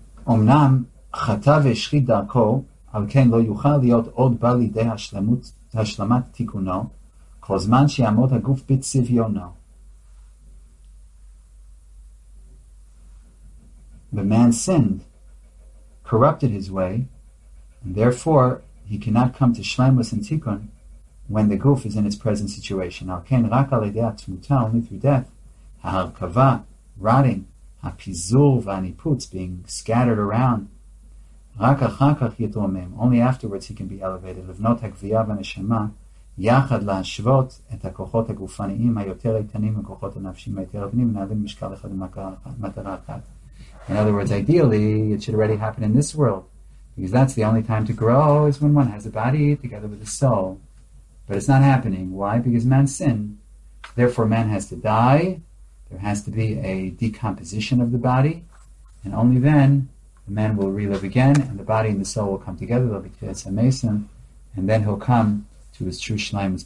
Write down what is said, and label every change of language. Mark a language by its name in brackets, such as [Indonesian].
[Hebrew] אמנם חטא והשחית דרכו, על כן לא יוכל להיות עוד בא לידי השלמת תיקונו, כל זמן שיעמוד הגוף בצביונו. [English] The man sinned, corrupted his way, and therefore he cannot come to shlemus and tikkun when the goof is in its present situation. [Hebrew] על כן רק על ידי התמותה, [English] only through death, [Hebrew] ההרכבה, [English] rotting, [Hebrew] הפיזור והניפוץ, [English] being scattered around. [Hebrew] רק אחר כך יתרומם, [English] only afterwards he can be elevated, [Hebrew] לבנות הגבייה והנשמה, יחד להשוות את הכוחות הגופניים היותר איתנים וכוחות הנפשיים היותר אבנים, ונעלים משקל אחד למטרה אחת. [English] In other words, ideally, it should already happen in this world, because that's the only time to grow, is when one has a body together with a soul. But it's not happening. Why? Because man sinned. Therefore, man has to die. There has to be a decomposition of the body, and only then the man will relive again, and the body and the soul will come together, they'll be tetzah mason, and then he'll come to his true shleimus.